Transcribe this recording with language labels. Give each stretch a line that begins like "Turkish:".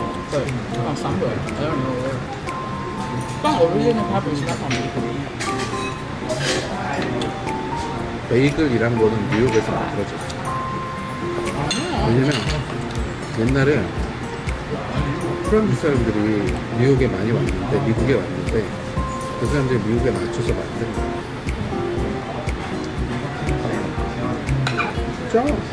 English: 对 ，from somewhere. I don't know where.
Chinese: 但我如今的话，不是那方面。
Korean: 베이글이란 거는 뉴욕에서 만들어졌어. 왜냐면 옛날에 프랑스 사람들이 뉴욕에 많이 왔는데 미국에 왔는데 그 사람들이 미국에 맞춰서 만든 거야. 진짜?